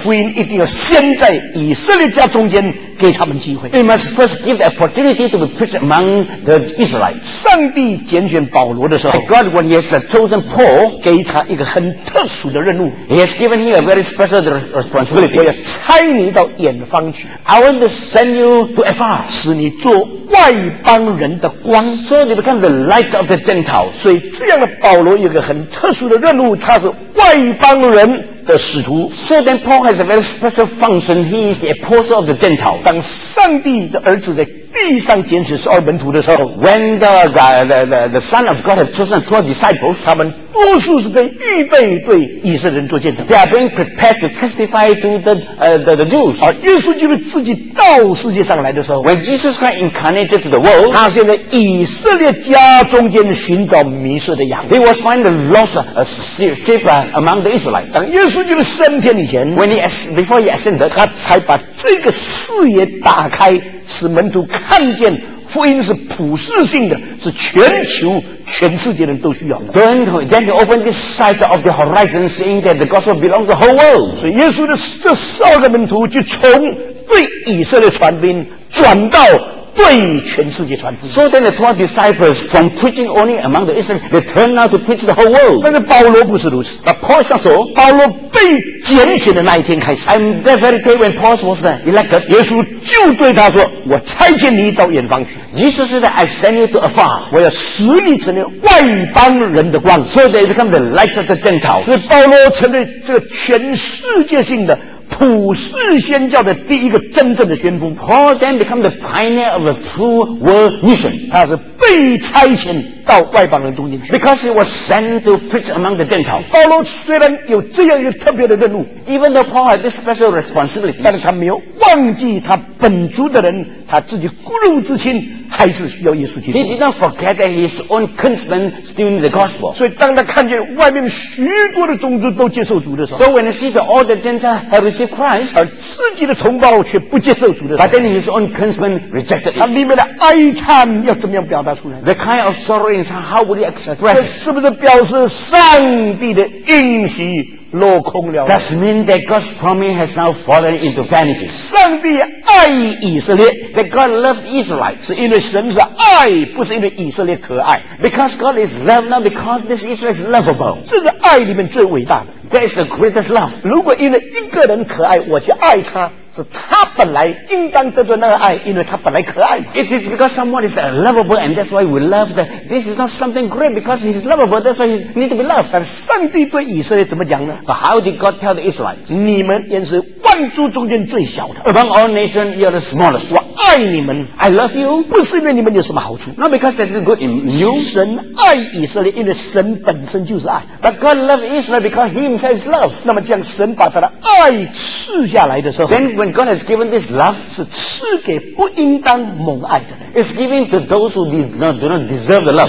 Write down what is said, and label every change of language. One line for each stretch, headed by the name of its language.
Chinese: 福音一定要先在以色列家中间。给他们机会。
English: They must first give the opportunity to be preached among the Israelites.
Chinese: 上帝拣选保罗的时候
English: ，God when He has chosen Paul，
Chinese: 给他一个很特殊的任务。
English: He has given him a very special responsibility.
Chinese: 我要差你到远方去。
English: I want to send you to afar，
Chinese: 使你做外邦人的光。
English: So you become the light of the Gentiles.
Chinese: 所以这样的保罗有一个很特殊的任务，他是外邦人。
English: So then Paul has a very special function. He is the apostle of the Gentiles.
Chinese: 当上帝的儿子在地上拣选十二门徒的时候
English: ，When the Son of God has chosen 12 disciples，
Chinese: 他们多数是被预备对以色列人做见证。
English: They are being prepared to testify to the Jews。
Chinese: 而耶稣基督自己到世界上来的时候
English: ，When Jesus Christ incarnated to the world，
Chinese: 他是在以色列家中间寻找迷失的羊。
English: He was finding the lost sheep among the Israelites。
Chinese: 当耶稣基督升天以前
English: ，When he before he ascended，
Chinese: 他才把这个视野打开。使门徒看见福音是普世性的，是全球、全世界人都需要的。
English: Then he opened the sight of the horizon, seeing that the gospel belongs to the whole world.
Chinese: 所以耶稣的这十二个门徒就从对以色列传福音转到。对全世界传福音。
English: So then the 12 disciples from preaching only among the Israelites, they turn now to preach the whole world.
Chinese: 但是保罗不是如此。
English: But Paul is not so.
Chinese: 保罗被拣选的那一天开始。
English: And that very day when Paul was elected,
Chinese: 耶稣就对他说：“我差遣你到远方去。”
English: Jesus said, "I send you to afar."
Chinese: 我要使你成为外邦人的光。
English: So they become the light of the Gentiles.
Chinese: 所以保罗成为这个全世界性的。普世宣教的第一个真正的先锋。
English: Paul then become the pioneer of the true world mission.
Chinese: 他是被差遣到外邦人中间去。
English: Because he was sent to preach among the Gentiles.
Chinese: 保罗虽然有这样一个特别的任务
English: ，even though Paul had this special responsibility，
Chinese: 但是他没有忘记他本族的人，他自己骨肉至亲还是需要耶稣基督。
English: He did not forget that his own kinsmen still need the gospel.
Chinese: 所以当他看见外面许多的种族都接受主的时候
English: ，So when he sees all the Gentiles have received Christ，
Chinese: 而自己的同胞却不接受主的时候
English: ，But then his own kinsmen rejected it。
Chinese: 他里面的哀叹要怎么样表达出来
English: ？The kind of sorrow in him, how would he express？
Chinese: 这是不是表示上帝的应许？落空了。
English: That means that God's promise has now fallen into vanity.
Chinese: 上帝爱以色列
English: ，that God loves Israel，
Chinese: 是因为神是爱，不是因为以色列可爱。
English: Because God is love, not because this Israel is lovable.
Chinese: 这是爱里面最伟大的。
English: That is the greatest love.
Chinese: 如果因为一个人可爱，我去爱他。是他本来应当得到那个爱，因为他本来可爱嘛。
English: It is because someone is lovable, and that's why we love them. This is not something great because he's lovable. That's why he need to be loved.
Chinese: 但上帝对以色列怎么讲呢
English: ？But how did God tell the Israelites?
Chinese: 你们也是万族中间最小的。
English: Among all nations, you are the smallest.
Chinese: 我爱你们
English: ，I love you.
Chinese: 不是因为你们有什么好处
English: ，Not because there's good in you.
Chinese: 神爱以色列，因为神本身就是爱。
English: But God loves Israel because He Himself is love.
Chinese: 那么将神把他的爱赐下来的时候
English: ，Then when God has given this love
Chinese: 是赐给不应当蒙爱的人
English: It's given to those who do not deserve the love